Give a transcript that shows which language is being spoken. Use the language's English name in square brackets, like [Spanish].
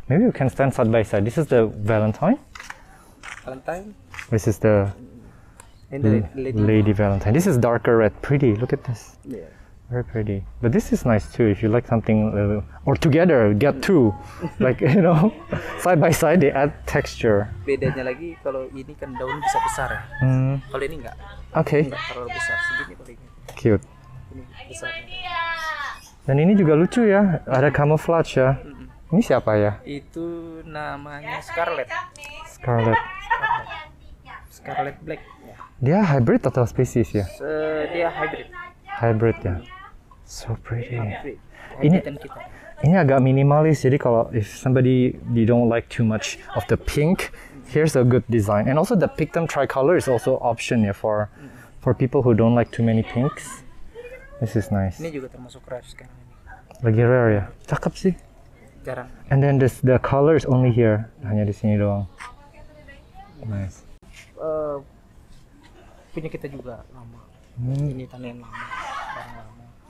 [English] Maybe we can stand side by side. This is the Valentine. Valentine. This is the Lady Valentine. This is darker red. Pretty. Look at this. Yeah. Very pretty. But this is nice too. If you like something little, or together, get two. Like, you know, side by side, they add texture. [Indonesian] Bedanya lagi kalau ini kan daun bisa besar. Kalau ini enggak. [English] Okay. [Indonesian] Enggak terlalu besar. Segini paling. [English] Cute. [Indonesian] Ini besar. Dan ini juga lucu ya. Ada camouflage ya. Ini siapa ya? Itu namanya Scarlet. [English] Scarlet Black. [Indonesian] Dia hybrid atau species ya? Dia hybrid. [English] Hybrid ya. So pretty. [Indonesian] Hybrid. Ini kita. Ini agak minimalis, jadi kalau [English] if somebody they don't like too much of the pink, here's a good design. And also the Pictum tricolor is also option ya for people who don't like too many pinks. This is nice. [Indonesian] Ini juga termasuk rare sekarang ini. Lagi rare ya. Cakep sih. Jarang. [English] And then the color is only here. [Indonesian] Hanya di sini doang. [English] Nice. [Indonesian] Punya kita juga lama. Ini tanaman lama.